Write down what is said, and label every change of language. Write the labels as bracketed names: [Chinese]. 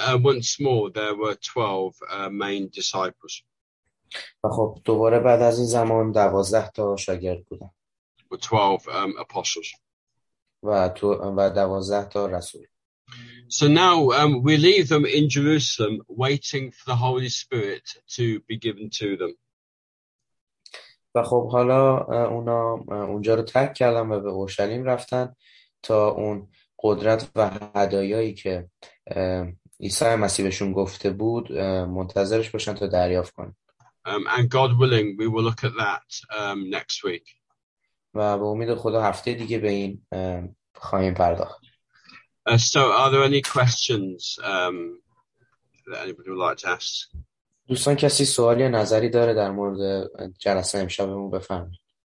[English] Once more there were 12 main disciples. [Persian] و خب دوباره بعد از این زمان 12 تا شاگرد بودن. [English] 12 apostles. [Persian] و 12 تا رسول. [English] So now we leave them in Jerusalem waiting for the Holy Spirit to be given to them. [Persian] و خب حالا اونا اونجا رو ترک کردن و به اورشلیم رفتن تا اون قدرت و هدایایی که عیسی مسیح بهشون گفته بود منتظرش باشن تا دریافت کنن. [English] And God willing, we will look at that next week. [Persian] و به امید خدا هفته دیگه به این خواهیم پرداخت. [English] So are there any questions that anybody would like to ask? [Persian] دوستان کسی سوالی یا نظری داره در مورد جلسه امشبمون بفرمایید.